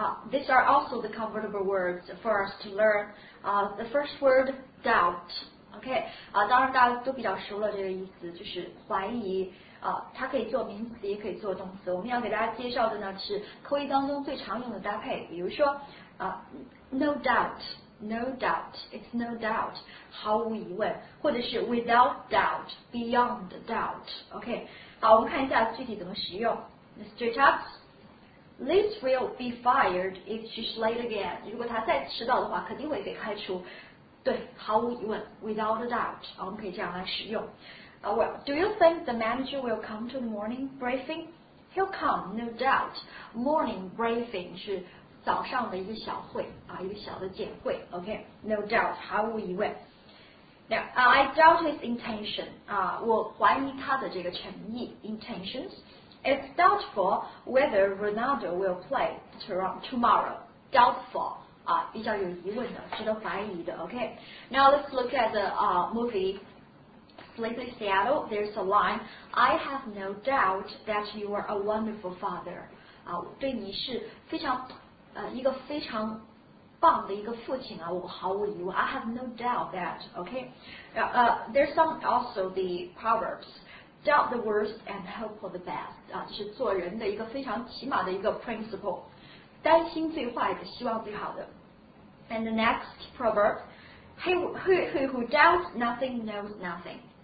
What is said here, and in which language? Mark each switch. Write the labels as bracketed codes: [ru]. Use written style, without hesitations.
[en] These are also the convertible words for us to learn. The first word, doubt. [zh] Okay, 当然大家都比较熟了这个意思，就是怀疑。它可以做名词，也可以做动词。我们要给大家介绍的呢是口语当中最常用的搭配，比如说 [en] no doubt, no doubt, it's no doubt, [zh] 毫无疑问，或者是 [en] without doubt, beyond doubt. Okay, [zh] 好，我们看一下具体怎么使用。 [en] Straight up, Liz will be fired if she's late again. [zh] 如果她再迟到的话，肯定会被开除。对，毫无疑问 ， [en] without a doubt， [zh] 我们可以这样来使用。 [en] Well, do you think the manager will come to the morning briefing? He'll come, no doubt. [zh] Morning briefing 是早上的一个小会啊，一个小的简会。 [en] Okay, no doubt， [zh] 毫无疑问。 [en] Now, I doubt his intention. [zh] 我怀疑他的这个诚意 [en] intentions. It's doubtful whether Ronaldo will play tomorrow. Doubtful. [zh] 比较有疑问的，值得怀疑的 ,OK? [en] Now let's look at the movie Sleepy Seattle. There's a line, I have no doubt that you are a wonderful father. [zh] 对你是非常一个非常棒的一个父亲啊，我毫无疑问。 [en] I have no doubt that, OK? There's some also the proverbs, doubt the worst and hope for the best. [zh] 这是做人的一个非常起码的一个 principle. 担心最坏的，希望最好的。 [en] And the next proverb, who doubts nothing knows nothing.